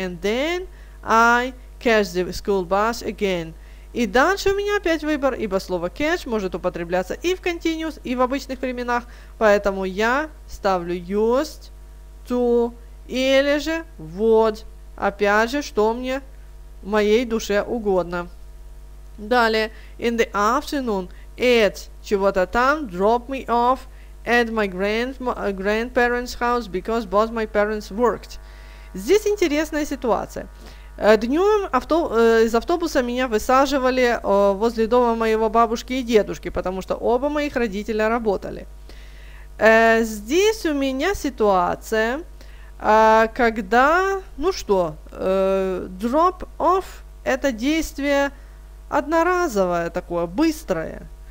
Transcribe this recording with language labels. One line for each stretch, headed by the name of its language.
English: and then I catch the school bus again.
Russian: И дальше у меня опять выбор, ибо слово catch может употребляться и в continuous, и в обычных временах. Поэтому я ставлю used to или же would. Опять же, что мне в моей душе угодно. Далее.
English: In the afternoon, it
Russian: чего-то там
English: drop me off at my grandparents' house, because both my parents worked.
Russian: Здесь интересная ситуация. Днем из автобуса меня высаживали возле дома моего бабушки и дедушки, потому что оба моих родителя работали. Здесь у меня ситуация, когда, ну что, drop off – это действие одноразовое такое, быстрое.